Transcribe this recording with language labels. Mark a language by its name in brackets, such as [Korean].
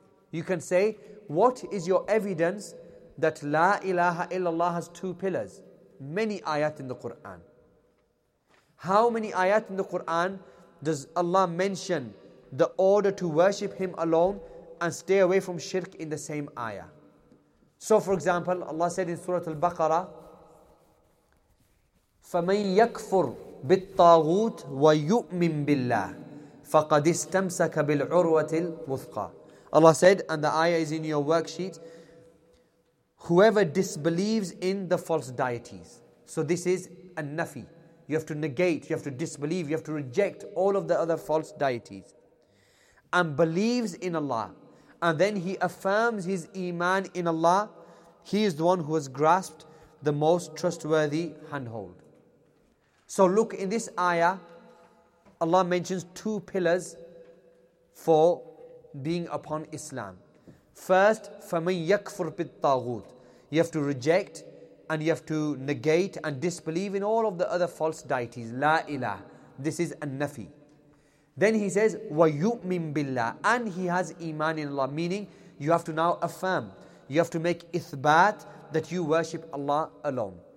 [English] You can say, "What is your evidence that La ilaha illallah has two pillars?" many ayat in the Quran. How many ayat in the Quran does Allah mention the order to worship Him alone and stay away from shirk in the same ayah? So for example, Allah said in Surah Al-Baqarah, [Arabic] فَمَنْ يَكْفُرْ بِالطَّاغُوتِ وَيُؤْمِنْ بِاللَّهِ فَقَدْ اسْتَمْسَكَ بِالْعُرْوَةِ الْوُثْقَى. [English] Allah said, and the ayah is in your worksheet, whoever disbelieves in the false deities. So this is a nafi. You have to negate, you have to disbelieve, you have to reject all of the other false deities. And believes in Allah. And then he affirms his iman in Allah. He is the one who has grasped the most trustworthy handhold. So look, in this ayah, Allah mentions two pillars for being upon Islam. First, [Arabic] فَمَنْ يَكْفُرْ بِالطَّاغُوتِ. [English] You have to reject and you have to negate and disbelieve in all of the other false deities. La ilah. This is a nafi. Then he says, [Arabic] وَيُؤْمِنْ بِاللَّهِ. [English] And he has iman in Allah. Meaning, you have to now affirm. You have to make ithbat that you worship Allah alone.